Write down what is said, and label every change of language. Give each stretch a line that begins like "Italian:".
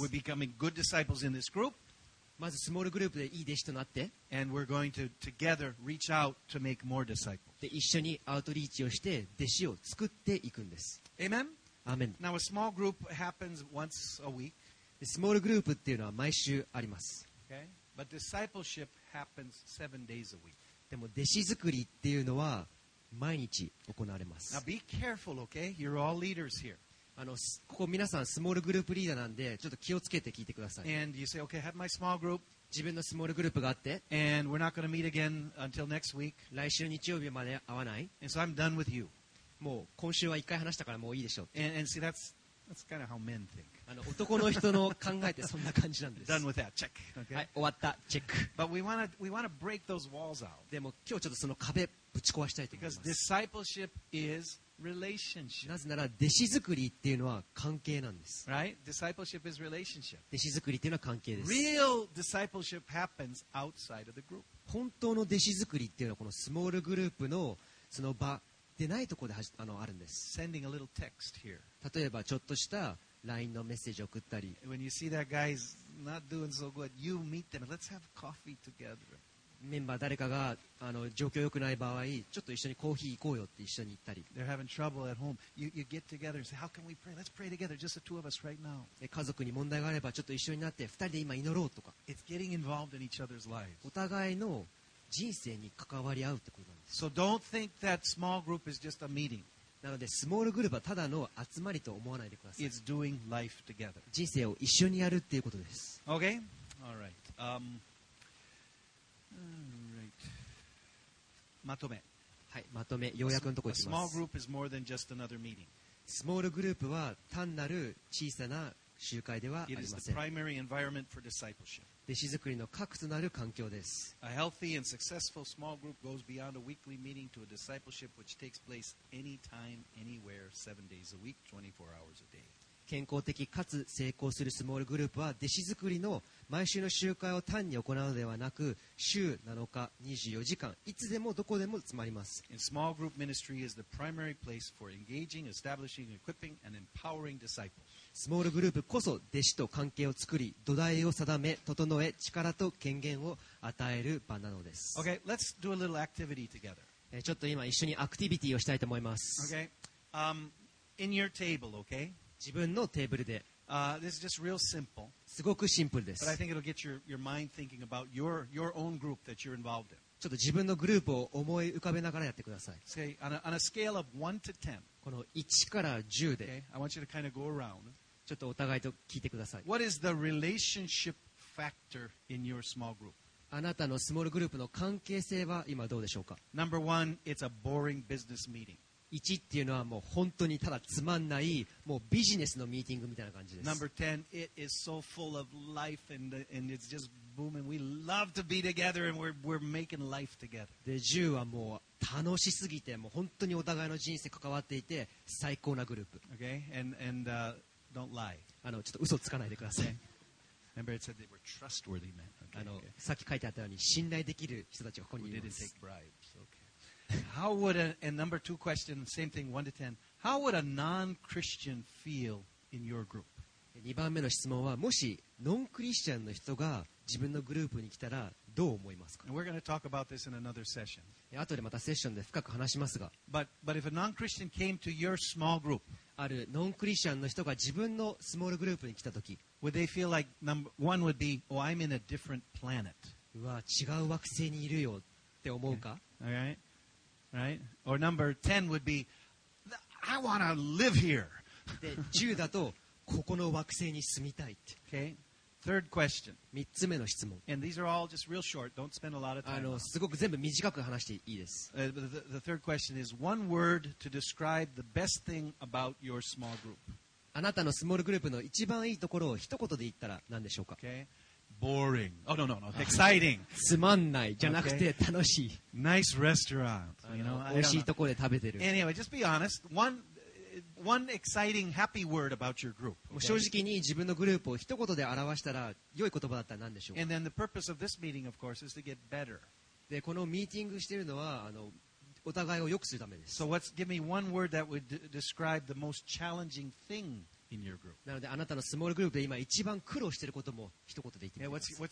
English: that we're becoming good disciples in this group.
Japanese: まずスモールグループでいい弟子となって一緒にアウトリーチをして弟子を作っていくんです
English: Amen? Amen. Now a small group happens once a week.
Japanese: スモールグループっていうのは毎週あります、
English: okay? But discipleship happens seven days a week.
Japanese: でも弟子作りっていうのは毎日行われます。
English: Now be careful, okay? You're all leaders here.
Japanese: ここ皆さんスモールグループリーダーなんでちょっと気をつけて聞いてください。
English: And you say, okay, have my small group.
Japanese: 自分のスモールグループがあって。
English: And we're not going to meet again until next week.
Japanese: 来週日曜日まで会わない。
English: And so I'm done with you.
Japanese: もう今週は一回話したからもういいでしょう。
English: And see, that's That's kind of how men think. Done with that. Check.
Japanese: Okay. はい、終わった。Check.
English: But we want to break those walls out.
Japanese: でも今日ちょっとその壁ぶち壊したいと思います。
English: Because discipleship is relationship.
Japanese: なぜなら弟子作りっていうのは関係なんです。
English: Right? Discipleship is relationship.
Japanese: 弟子作りっていうのは関係です。
English: Real discipleship happens outside of the group.
Japanese: 本当の弟子作りっていうのはこのスモールグループのその場でないところで あるんです。
English: Sending a little text here.
Japanese: 例えばちょっとした LINE のメッセージを送ったり。
English: When you see that guy's not doing so good, you meet them. Let's have coffee together.
Japanese: メンバー誰かが状況良くない場合、ちょっと一緒にコーヒー行こうよって一緒に行ったり。
English: They're having trouble at home. You get together and say, how can we pray? Let's pray together, just the two of us right now.
Japanese: 家族に問題があればちょっと一緒になって二人で今祈ろうとか。
English: It's getting involved in each other's lives.
Japanese: お互いの人生に関わり合うってことなんです。
English: So don't think that small group is just a meeting.
Japanese: なので、スモールグループはただの集まりと思わないでください。
English: It's doing life together.
Japanese: 人生を一緒にやるっていうことです。
English: Okay? All right.
Japanese: Right. まとめ。はい、まとめ。要約のところに行きます。
English: Small group is more than just another meeting.
Japanese: スモールグループは単なる小さな集会ではありません。
English: It is the primary environment for discipleship.
Japanese: 弟子作りの核となる環境です。
English: A healthy and successful small group goes beyond a weekly meeting to a discipleship which takes place anytime, anywhere, 7 days a week, 24 hours a day.
Japanese: 健康的かつ成功するスモールグループは弟子作りの毎週の集会を単に行うではなく、週7日、24時間、いつでもどこでも集まります。
English: And small group ministry is the primary place for engaging, establishing, equipping, and empowering disciples.
Japanese: スモールグループこそ弟子と関係を作り、土台を定め、整え、力と権限を与える場なのです。
English: Okay, let's do a little activity together.
Japanese: ちょっと今一緒にアクティビティをしたいと思います。
English: Okay, in your table, okay?
Japanese: 自分のテーブルで。
English: This is just real simple.
Japanese: すごくシンプルです。
English: But I think it'll get your mind thinking about your own group that you're involved in.
Japanese: ちょっと自分のグループを思い浮かべながらやってください。
English: Okay, on a scale of 1 to 10.
Japanese: この1から10で、
English: okay. I want you to kind of go around.
Japanese: ちょっとお互いと聞いてください。
English: What is the relationship factor in your small group?
Japanese: あなたのスモールグループの関係性は今どうでしょうか?
English: Number one, it's a boring business meeting.
Japanese: 1っていうのはもう本当にただつまんない、もうビジネスのミーティングみたいな感じです。
English: Number ten, it is so full of life and it's just booming. We love to be together and we're making life together.
Japanese: で、10はもう楽しすぎてもう本当にお互いの人生関わっていて最高なグループ。
English: Okay, and don't lie.
Japanese: ちょっと嘘つかないでください。
English: Remember it said they were trustworthy men. Okay.
Japanese: さっき書いてあったように信頼できる人たちがここにいます。
English: We didn't take bribes. Okay. How would and number two question, same thing, one to ten. How would a non-Christian feel in your group?
Japanese: 二番目の質問はもしノンクリスチャンの人が自分のグループに来たらどう思いますか?
English: And we're going to talk about this in another session.
Japanese: あとでまたセッションで深く話しますが
English: but if a non-Christian came to your small group,
Japanese: あるノンクリスチャンの人が自分のスモールグループに来たとき
English: would they feel like number one would be, oh, I'm in a different planet.
Japanese: うわ違う惑星にいるよって思うか
English: okay. Okay. Right. Or number 10 would be, I want to live here.
Japanese: で10だとここの惑星に住みたいって、
English: okay. Third question.
Japanese: 3つ目の質問。
English: And these are all just real short. Don't spend a lot of time.
Japanese: すごく全部短く話していいです。
English: The third question is one word to describe the best thing about your small group.
Japanese: あなたのスモールグループの一番いいところを一言で言ったら何でしょうか?
English: Okay. Boring. Oh, no. Exciting.
Japanese: つまんないじゃなくて楽しい。
English: Nice restaurant. You know,
Japanese: 美味しいところで食べてる。
English: Anyway, just be honest. One exciting happy word about your group.
Japanese: もう正直に自分のグループを一言で表したら良い言葉だったら何でしょうか?
English: And then the purpose of this meeting, of course, is to get better.
Japanese: で、このミーティングしているのはお互いを良くするためです。
English: So let's give me one word that would describe the most challenging thing in your group.
Japanese: なのであなたのスモールグループで今一番苦労していることも一言で言ってみます。